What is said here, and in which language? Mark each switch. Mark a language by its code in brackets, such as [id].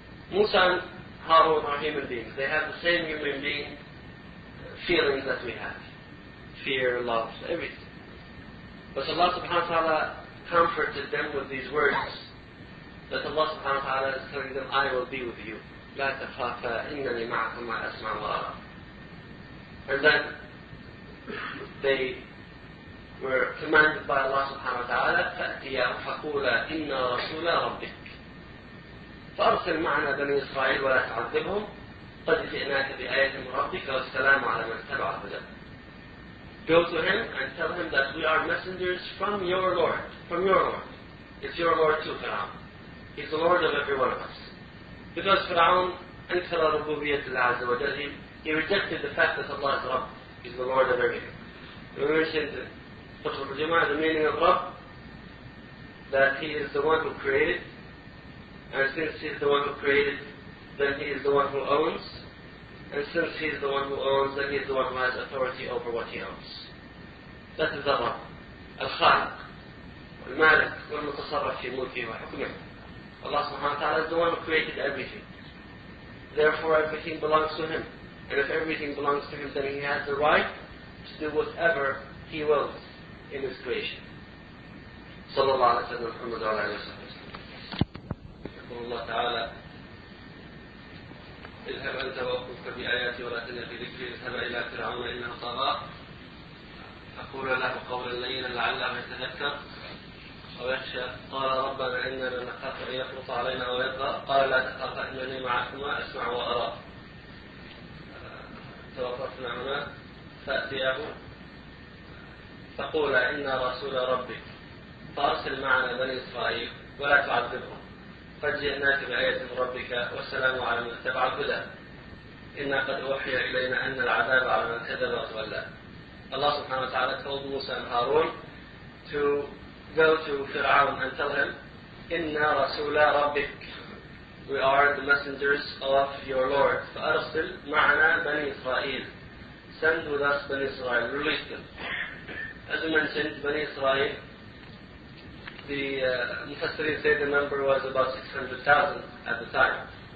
[en] Musa and Harun are human beings. They have the same human being feelings that we have. Fear, love, everything. But Allah subhanahu wa ta'ala comforted them with these words. That Allah subhanahu wa ta'ala is telling them, I will be with you. [ar] لَا تَخَافَ إِنَّنِي مَعَكُمَا أَسْمَعُ وَأَرَى. [en] And then they were commanded by Allah subhanahu wa ta'ala, [ar] فَأْتِيَا فَقُولَ إِنَّا رَسُولَ رَبِّكَ فَأَرْسِلْ مَعْنَا بَنِي إِسْرَائِيلَ وَلَا تَعَذِّبْهُمْ قَدْ جِئْنَاكَ بِآيَةٍ مِنْ رَبِّكَ وَالسَّلَامُ عَلَى مَنْ تَبَعَ الْهُدَى. [en] Go to him and tell him that we are messengers from your Lord. From your Lord. It's your Lord too, Fir'aun. He's the Lord of every one of us. Because Fir'aun, [ar] أَنْكَرَ رُبُوبِيَةِ الْعَزَّ وَجَلِّ, [en] he rejected the fact that Allah is Rabb. He's the Lord of everything. We mentioned in Qutb al-Jumu'ah the meaning of Rabb, that he is the one who created. And since he is the one who created, then he is the one who owns. And since he is the one who owns, then he is the one who has authority over what he owns. That is the Rabb, [ar] Al-Khaliq, Al-Malik, Al-Mutasarrif fi mulki wa hukmihi. [en] Allah subhanahu wa ta'ala is the one who created everything. Therefore, everything belongs to him. And if everything belongs to him, then he has the right to do whatever he wills in his creation. [ar] Sallallahu alayhi wa sallam, Muhammad wa alayhi wa sallam. Allah ta'ala, اذهب أنت وأخوك بآياتي ولا تنيا في ذكري اذهب إلى فرعون إنه طغى أقول له قولا لينا لعله يتذكر أو يخشى قال ربنا إننا نخاف أن يفرط علينا أو يطغى قال لا تخاف إنني معكما أسمع وأرى. توقفنا هنا فأتياه فقولا إنا رسول ربك فأرسل معنا بني إسرائيل ولا تعذبهم قد جئناك بآية من ربك والسلام على من اتبع الهدى إنا قد أوحي إلينا أن العذاب على من كذب وتولى. [en] Allah subhanahu wa ta'ala told Musa and Harun to go to Fir'aun and tell him, [ar] إنا رسول ربك. [en] we are the messengers of your Lord. [ar] فَأَرْسِلْ مَعَنَا بَنِي إِسْرَائِيلِ. [en] Send with us Bani Israel, release them. As we mentioned, Bani Israel, the Mufassirin say the number was about 600,000 at the time.